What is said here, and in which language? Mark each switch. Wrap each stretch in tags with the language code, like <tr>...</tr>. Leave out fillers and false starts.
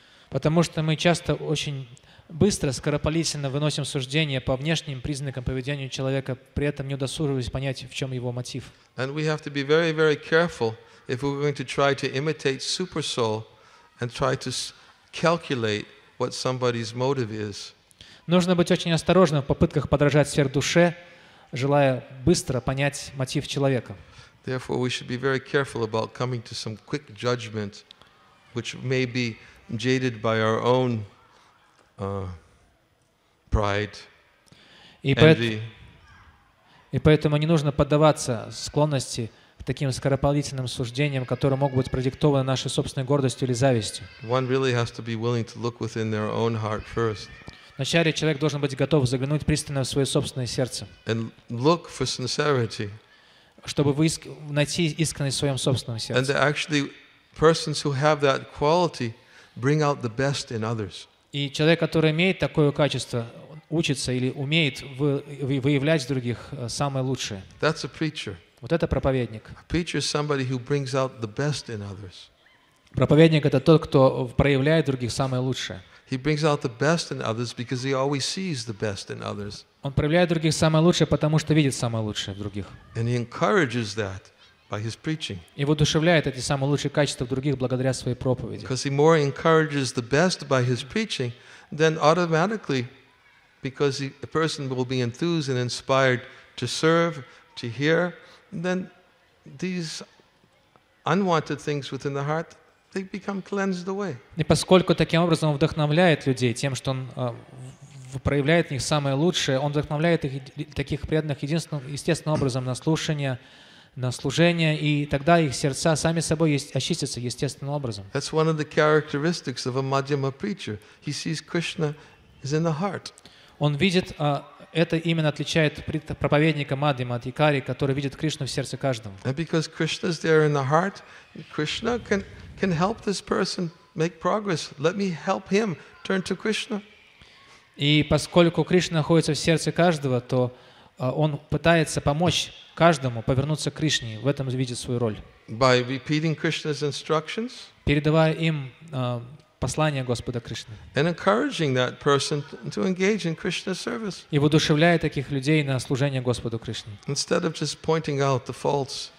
<ru>Потому что мы часто очень быстро, скоропалительно выносим суждения по внешним признакам поведения человека, при этом не удосуживаясь понять, в чем его мотив.</ru> <en>And we have to be very, very careful if we're going to try to imitate super soul and try to calculate what somebody's motive is.</en> <ru>Нужно быть очень осторожным в попытках подражать сверхдуше, желая быстро понять мотив человека.</ru> <en>Therefore, we should be very careful about coming to some quick judgment, which may be jaded by our own pride, envy.</en> <ru>И поэтому не нужно поддаваться склонности к таким скоропалительным суждениям, которые могут быть продиктованы нашей собственной гордостью или завистью.</ru> <en>One really has to be willing to look within their own heart first.</en> <ru>Вначале человек должен быть готов заглянуть пристально в свое собственное сердце,</ru> <en>and look for sincerity,</en> <ru>чтобы найти искренность в своем собственном сердце.</ru> <en>And actually, persons who have that quality bring out the best in others.</en> <ru>И человек, который имеет такое качество, учится или умеет выявлять в других самое лучшее.</ru> <en>That's a preacher.</en> <ru>Вот это проповедник.</ru> <en>A preacher is somebody who brings out the best in others.</en> <ru>Проповедник — это тот, кто проявляет в других самое лучшее.</ru> <en>He brings out the best in others because he always sees the best in others.</en> <ru>Он проявляет в других самое лучшее, потому что видит самое лучшее в других.</ru> <en>And he encourages that by his preaching.</en> <ru>И воодушевляет эти самые лучшие качества в других благодаря своей проповеди.</ru> <en>Because he more encourages the best by his preaching, then automatically, because a person will be enthused and inspired to serve, to hear, then these unwanted things within the heart, they become cleansed away.</en> <ru>И поскольку таким образом он вдохновляет людей тем, что он проявляет в них самое лучшее, он вдохновляет их, таких преданных, единственным естественным образом на слушание, на служение, и тогда их сердца сами собой очистятся естественным образом.</ru> <en>That's one of the characteristics of a Madhyama preacher. He sees Krishna is in the heart.</en> <ru>Он видит, это именно отличает проповедника Мадхьяма от Икари, который видит Кришну в сердце каждого.</ru> <en>And because Krishna is there in the heart, Krishna can help this person make progress. Let me help him turn to Krishna.</en> <ru>И поскольку Кришна находится в сердце каждого, то он пытается помочь каждому повернуться к Кришне, в этом видит свою роль.</ru> <en>By repeating Krishna's instructions,</en> <ru>передавая им послание Господа Кришны.</ru> <en>And encouraging that person to engage in Krishna's service.</en> <ru>И воодушевляя таких людей на служение Господу Кришне.</ru> <en>Instead of just pointing out the faults,</en>